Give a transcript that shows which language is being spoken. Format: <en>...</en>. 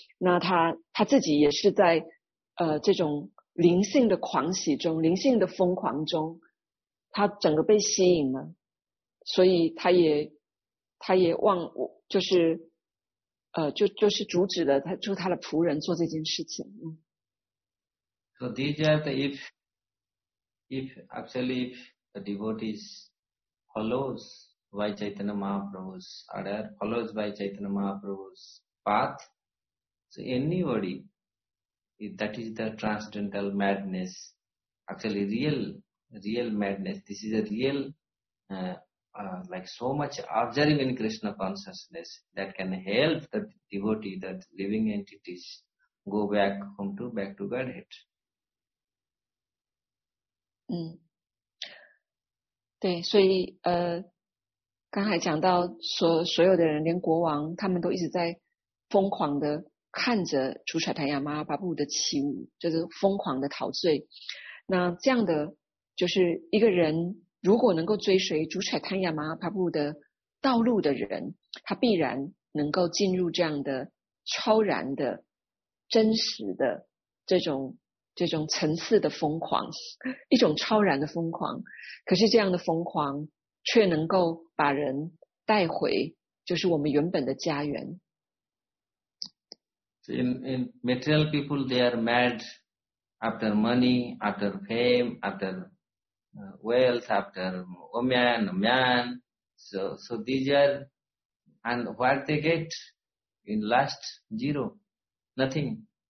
<zh>那他自己也是在这种灵性的狂喜中，灵性的疯狂中，他整个被吸引了，所以他也忘我，就是阻止了他的仆人做这件事情。</zh> <en>So these are the if actually if the devotees follows by Chaitanya Mahaprabhu's order, follows by Chaitanya Mahaprabhu's path, so anybody, if that is the transcendental madness, actually real madness, this is a real, like so much observing in Krishna consciousness that can help the devotee, that living entities go back home to, back to Godhead.</en> <zh>嗯，对，所以刚才讲到所有的人，连国王他们都一直在疯狂的看着朱彩檀雅马哈巴布的起舞，就是疯狂的陶醉。那这样的就是一个人如果能够追随朱彩檀雅马哈巴布的道路的人，他必然能够进入这样的超然的真实的这种层次的疯狂，一种超然的疯狂。可是这样的疯狂却能够把人带回就是我们原本的家园。</zh> <en>In material people, they are mad after money, after fame, after wealth, after woman, man. So these are, and what they get in last, zero, nothing.</en>